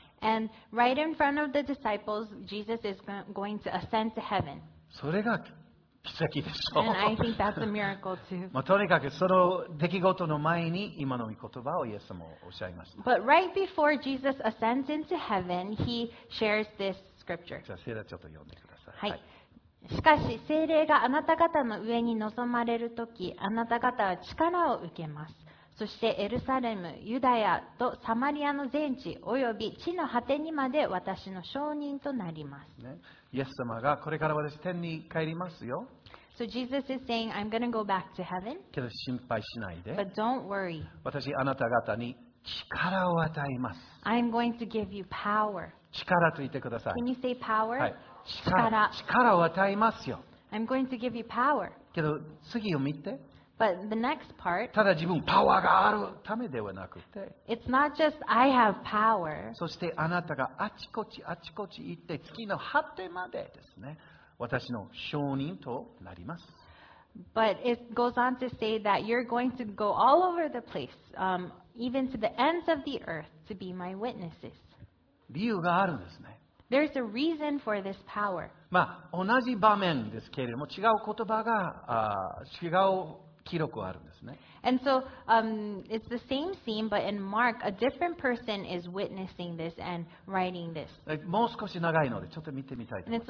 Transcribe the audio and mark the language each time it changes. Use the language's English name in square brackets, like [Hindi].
[English] And right in front of the disciples, Jesus is going to ascend to heaven. [Japanese] それが奇跡でしょう。 [English] And I think that's a miracle too. [Japanese] まあ、とにかくその出来事の前に今の御言葉をイエス様おっしゃいました。 [English] But right before Jesus ascends into heaven, he shares this scripture. [Japanese] じゃあ聖霊ちょっと読んでください。はい。しかし聖霊があなた方の上に臨まれるとき、あなた方は力を受けます。そしてエルサレム、ユダヤとサマリアの全地及び地の果てにまで私の証人となります、ね、イエス様がこれから私天に帰りますよ。 [English] So Jesus is saying I'm going to go back to heaven. [Japanese] けど心配しないで。 [English] But don't worry. [Japanese] 私あなた方に力を与えます。 [English] I'm going to give you power. [Japanese] 力と言ってください。 [English] Can you say power? [Japanese] はい。力を与えますよ。 [English] I'm going to give you power. [Japanese] けど次を見て。 [English] But the next part, [Japanese] ただ自分パワーがあるためではなくて、 [English] It's not just I have power. [Japanese] そしてあなたがあちこちあちこち行って月の果てまでですね、私の証人となります。 [English] But it goes on to say that you're going to go all over the place, even to the ends of the earth to be my witnesses. [Japanese] 理由があるんですね。 [English] There's a reason for this power. [Japanese] まあ同じ場面ですけれども違う言葉が違う記録があるんですね。 [English] And so, it's the same scene, but in Mark, a different person is witnessing this and writing this. [Japanese] もう少し長いのでちょっと見てみたいと思います。